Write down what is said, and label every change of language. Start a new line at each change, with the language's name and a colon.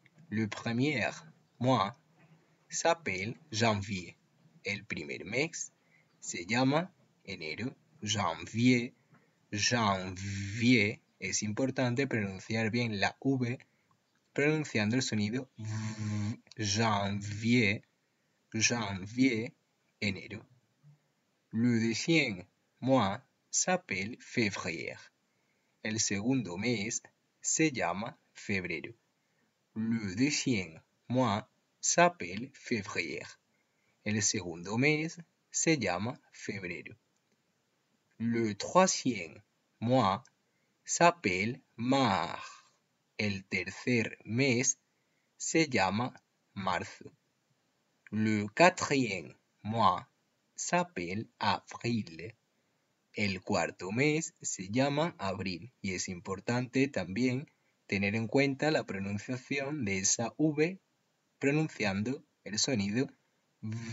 French: Le premier mois s'appelle janvier.
Spanish: El primer mes se llama enero.
French: Janvier, janvier.
Spanish: Es importante pronunciar bien la V pronunciando el sonido v.
French: Janvier, janvier, enero. Le deuxième mois s'appelle février.
Spanish: El segundo mes se llama febrero.
French: Le deuxième mois s'appelle février.
Spanish: El segundo mes se llama febrero.
French: Le troisième mois s'appelle mars.
Spanish: El tercer mes se llama marzo.
French: Le quatrième mois s'appelle avril.
Spanish: El cuarto mes se llama abril. Y es importante también tener en cuenta la pronunciación de esa V pronunciando el sonido V.